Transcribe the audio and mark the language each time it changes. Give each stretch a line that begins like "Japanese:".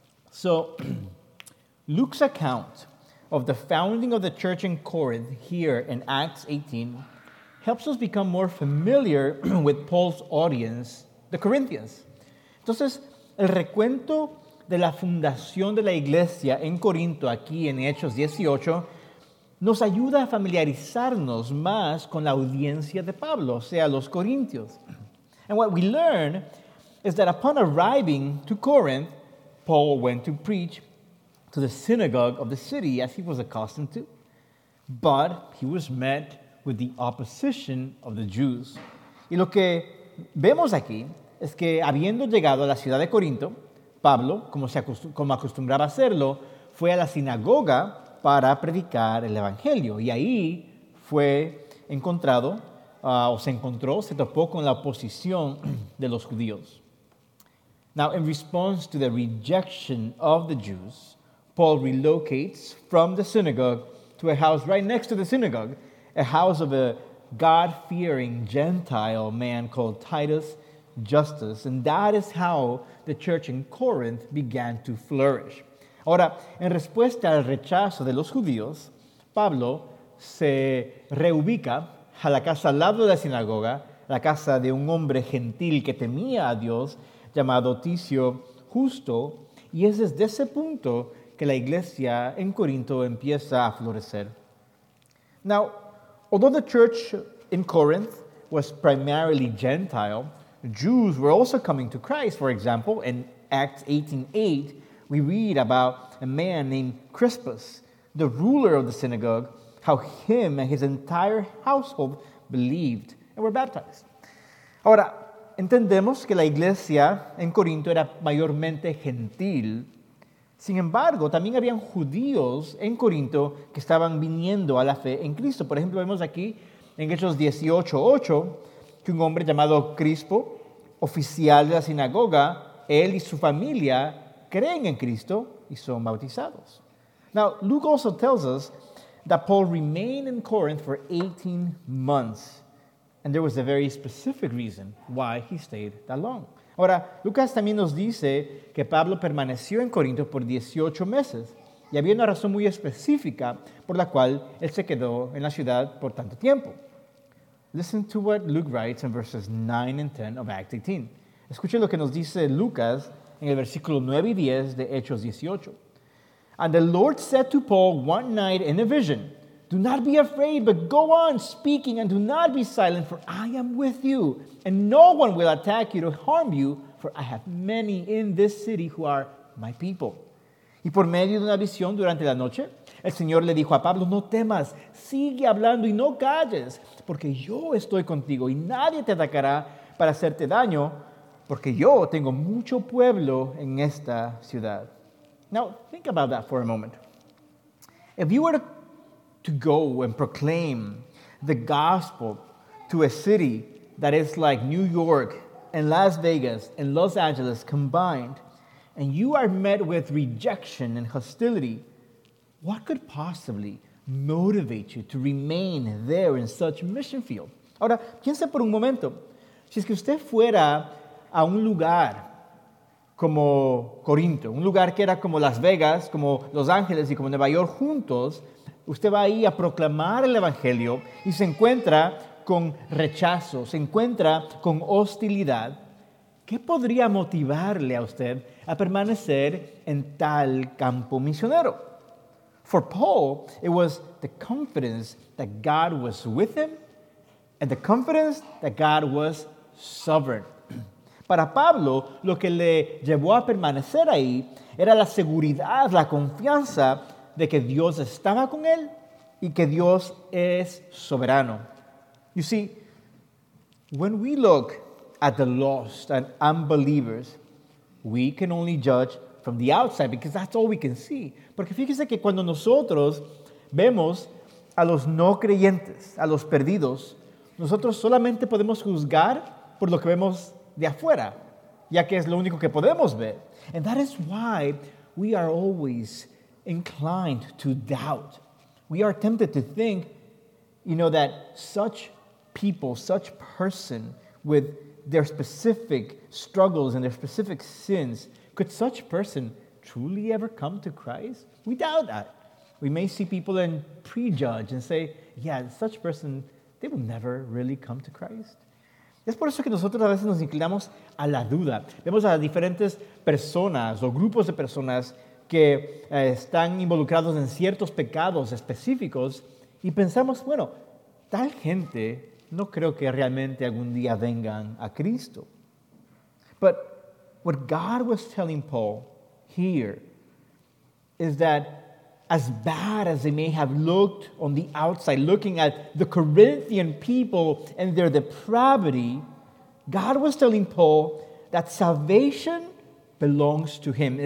English: So, Luke's account of the founding of the church in Corinth here in Acts 18 helps us become more familiar with Paul's audience, the Corinthians.
Spanish: Entonces, el recuento de la fundación de la iglesia en Corinto, aquí en Hechos 18, nos ayuda a familiarizarnos más con la audiencia de Pablo, o sea, los corintios.
English: And what we learn is that upon arriving to Corinth, Paul went to preach to the synagogue of the city, as he was accustomed to, but he was met with the opposition of the Jews.
Spanish: Y lo que vemos aquí es que, habiendo llegado a la ciudad de Corinto, Pablo, como acostumbraba a hacerlo, fue a la sinagoga para predicar el Evangelio. Y ahí fue encontrado, se topó con la oposición de los judíos.
English: Now, in response to the rejection of the Jews, Paul relocates from the synagogue to a house right next to the synagogue, a house of a God-fearing Gentile man called Titus Justus, and that is how the church in Corinth began to flourish.
Spanish: Ahora, en respuesta al rechazo de los judíos, Pablo se reubica a la casa al lado de la sinagoga, la casa de un hombre gentil que temía a Dios, llamado Ticio Justo, y es desde ese punto que la iglesia en Corinto empieza a florecer.
English: Now, although the church in Corinth was primarily Gentile, Jews were also coming to Christ. For example, in Acts 18:8, we read about a man named Crispus, the ruler of the synagogue, how him and his entire household believed and were baptized.
Spanish: Ahora, entendemos que la iglesia en Corinto era mayormente gentil. Sin embargo, también habían judíos en Corinto que estaban viniendo a la fe en Cristo. Por ejemplo, vemos aquí en Hechos 18:8, que un hombre llamado Crispo, oficial de la sinagoga, él y su familia creen en Cristo y son bautizados.
English: Now, Luke also tells us that Paul remained in Corinth for 18 months, and there was a very specific reason why he stayed that long.
Spanish: Ahora, Lucas también nos dice que Pablo permaneció en Corinto por 18 meses, y había una razón muy específica por la cual él se quedó en la ciudad por tanto tiempo.
English: Listen to what Luke writes in verses 9 and 10 of Acts 18.
Spanish: Escuche lo que nos dice Lucas en el versículo 9 y 10 de Hechos 18.
English: And the Lord said to Paul one night in a vision, do not be afraid, but go on speaking and do not be silent, for I am with you. And no one will attack you to harm you, for I have many in this city who are my people.
Spanish: Y por medio de una visión durante la noche, el Señor le dijo a Pablo, no temas, sigue hablando y no calles, porque yo estoy contigo y nadie te atacará para hacerte daño, porque yo tengo mucho pueblo en esta ciudad.
English: Now, think about that for a moment. If you were to go and proclaim the gospel to a city that is like New York and Las Vegas and Los Angeles combined, and you are met with rejection and hostility, what could possibly motivate you to remain there in such a mission field?
Spanish: Ahora, piense por un momento. Si es que usted fuera a un lugar como Corinto, un lugar que era como Las Vegas, como Los Ángeles y como Nueva York juntos, usted va ahí a proclamar el Evangelio y se encuentra con rechazo, se encuentra con hostilidad, ¿qué podría motivarle a usted a permanecer en tal campo misionero?
English: For Paul, it was the confidence that God was with him and the confidence that God was sovereign.
Spanish: Para Pablo, lo que le llevó a permanecer ahí era la seguridad, la confianza de que Dios estaba con él y que Dios es soberano.
English: You see, when we look at the lost and unbelievers, we can only judge from the outside because that's all we can see.
Spanish: Porque fíjese que cuando nosotros vemos a los no creyentes, a los perdidos, nosotros solamente podemos juzgar por lo que vemos de afuera, ya que es lo único que podemos ver.
English: And that is why we are always inclined to doubt. We are tempted to think, you know, that such people, such person with their specific struggles and their specific sins, could such person truly ever come to Christ? We doubt that. We may see people and prejudge and say, yeah, such person, they will never really come to Christ.
Spanish: Es por eso que nosotros a veces nos inclinamos a la duda. Vemos a diferentes personas o grupos de personas que están involucrados en ciertos pecados específicos y pensamos, bueno, tal gente no creo que realmente algún día vengan a Cristo.
English: But what God was telling Paul here is that as bad as they may have looked on the outside, looking at the Corinthian people and their depravity, God was telling Paul that salvation belongs to him.